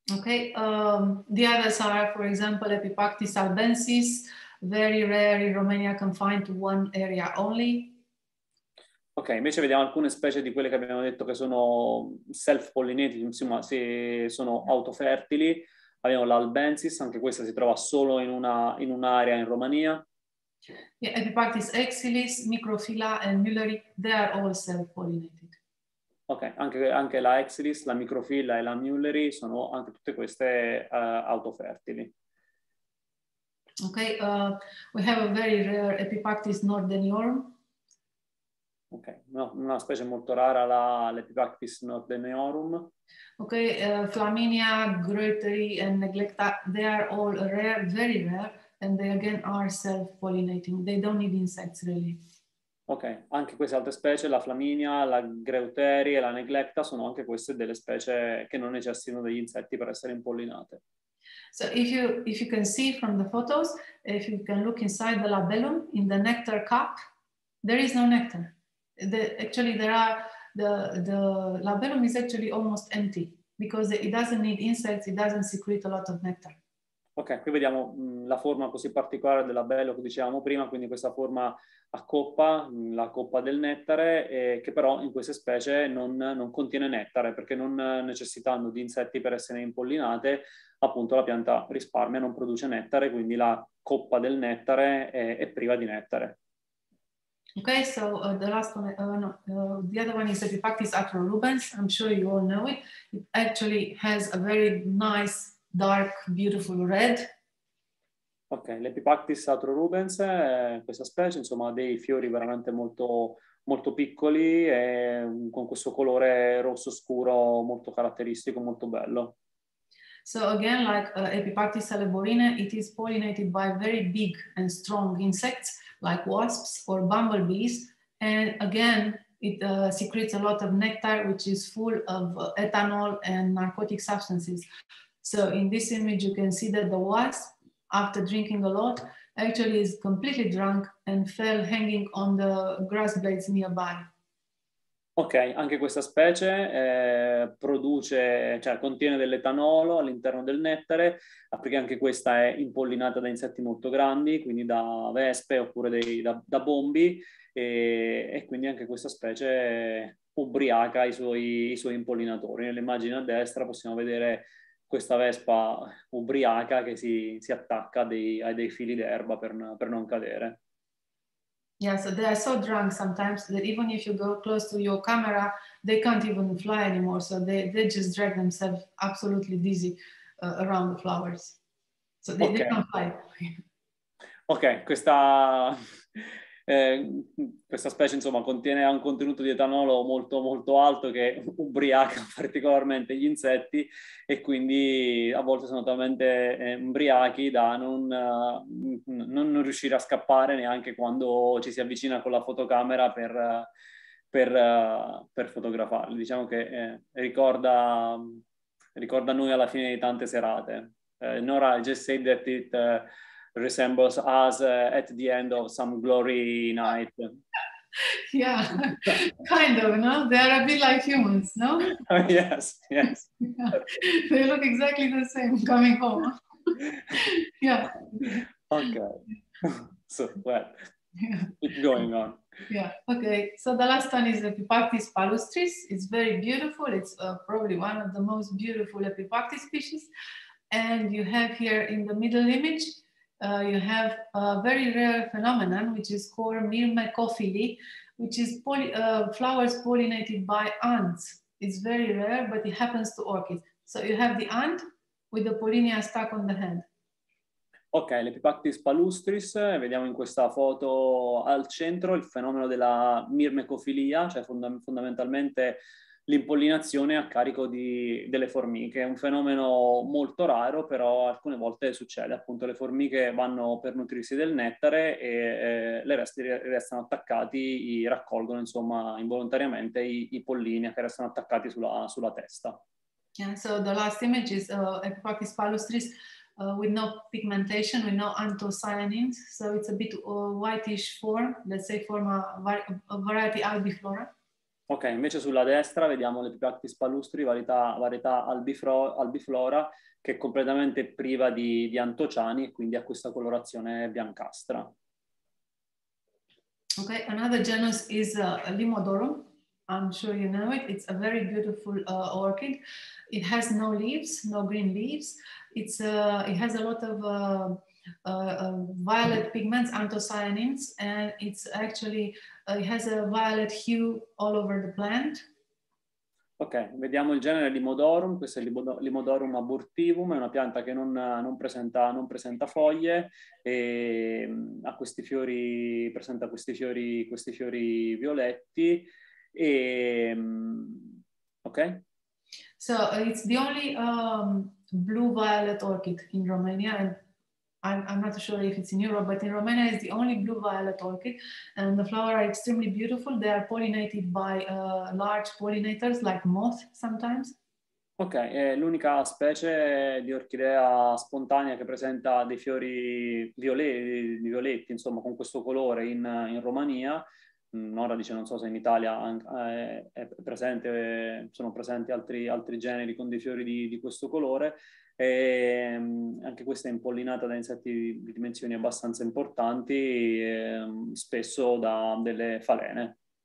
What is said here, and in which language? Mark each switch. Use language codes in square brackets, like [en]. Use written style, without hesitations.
[en] Okay, the others are, for example, Epipactis albensis, very rare in Romania, confined to one area only. [it] Ok, invece vediamo alcune specie di quelle che abbiamo detto che sono self-pollinated, insomma, se sono autofertili. Abbiamo l'albensis, anche questa si trova solo in un'area in Romania. [en] Yeah, Epipactis exilis, microfila and mulleri, they are all self-pollinated. [it] Ok, anche la exilis, la microfila e la mulleri sono anche tutte queste autofertili. [en] Ok, we have a very rare Epipactis nordeniorum. [it] Ok, una specie molto rara, l'Epipactis nordeniorum. [en] Ok, Flaminia, Groeteri and Neglecta, they are all rare, very rare, and they again are self-pollinating. They don't need insects, really. [it] Ok, anche queste altre specie, la Flaminia, la Groeteri e la Neglecta, sono anche queste delle specie che non necessitano degli insetti per essere impollinate. [en] So if you can see from the photos, if you can look inside the labellum, in the nectar cup, there is no nectar. The labellum is actually almost empty because it doesn't need insects, it doesn't secrete a lot of nectar. [it] Ok, qui vediamo la forma così particolare del labello che dicevamo prima, quindi questa forma a coppa, la coppa del nettare, che però in queste specie non contiene nettare, perché non necessitando di insetti per essere impollinate, appunto la pianta risparmia, non produce nettare, quindi la coppa del nettare è priva di nettare. [en] Ok, so the last one, the other one is Epipactis atrorubens. I'm sure you all know it. It actually has a very nice, dark, beautiful red. [it] Ok, l'Epipactis atrorubens è questa specie, insomma, dei fiori veramente molto, molto piccoli e con questo colore rosso scuro molto caratteristico, molto bello. [en] So again, like Epipactis aleborine, it is pollinated by very big and strong insects, like wasps or bumblebees, and again, it secretes a lot of nectar, which is full of ethanol and narcotic substances. So in this image, you can see that the wasp, after drinking a lot, actually is completely drunk and fell hanging on the grass blades nearby. [it] Ok, anche questa specie produce, cioè contiene dell'etanolo all'interno del nettare, perché anche questa è impollinata da insetti molto grandi, quindi da vespe oppure da bombi, e quindi anche questa specie ubriaca i suoi impollinatori. Nell'immagine a destra possiamo vedere questa vespa ubriaca che si attacca a dei fili d'erba per non cadere. [en] Yeah, so they are so drunk sometimes that even if you go close to your camera, they can't even fly anymore. So they just drag themselves absolutely dizzy around the flowers. So they can't fly. [it] Ok, questa specie, insomma, contiene un contenuto di etanolo molto molto alto che ubriaca particolarmente gli insetti, e quindi a volte sono talmente ubriachi da non riuscire a scappare neanche quando ci si avvicina con la fotocamera per fotografarli. Diciamo che ricorda noi alla fine di tante serate. [en] Nora, I just said that it resembles us at the end of some glory night. Yeah, kind of, no? They are a bit like humans, no? Yes. Yeah. They look exactly the same coming home. Yeah. Okay. So, well, yeah. Keep going on. Yeah, okay. So the last one is Epipactis palustris. It's very beautiful. It's probably one of the most beautiful Epipactis species. And you have here in the middle image, you have a very rare phenomenon, which is called myrmecophily, which is flowers pollinated by ants. It's very rare, but it happens to orchids. So you have the ant with the pollinia stuck on the hand. [it] Ok, l'Epipactis palustris, vediamo in questa foto al centro il fenomeno della myrmecophilia, cioè fondamentalmente l'impollinazione a carico delle formiche. È un fenomeno molto raro, però alcune volte succede. Appunto, le formiche vanno per nutrirsi del nettare e le resti restano attaccati, raccolgono insomma involontariamente i pollini che restano attaccati sulla testa. [en] And so the last image is Epipactis palustris with no pigmentation, with no anthocyanins. So it's a bit whitish form, let's say form a variety albiflora. [it] Ok, invece sulla destra vediamo l'Epipactis palustris, varietà albiflora, che è completamente priva di antociani e quindi ha questa colorazione biancastra. [en] Ok, another genus is Limodorum. I'm sure you know it. It's a very beautiful orchid. It has no leaves, no green leaves. It has a lot of violet pigments, anthocyanins, and it's actually it has a violet hue all over the plant. [it] Ok, vediamo il genere Limodorum. Questo è Limodorum abortivum, è una pianta che non presenta foglie e presenta questi fiori violetti. E ok, [en] so it's the only blue violet orchid in Romania. I'm not sure if it's in Europe, but in Romania it's the only blue violet orchid, and the flowers are extremely beautiful. They are pollinated by large pollinators like moths sometimes. [it] Ok, è l'unica specie di orchidea spontanea che presenta dei fiori violetti, insomma, con questo colore in Romania. Nora dice, non so se in Italia è presente, sono presenti altri generi con dei fiori di questo colore, e anche questa è impollinata da insetti di dimensioni abbastanza importanti, spesso da delle falene.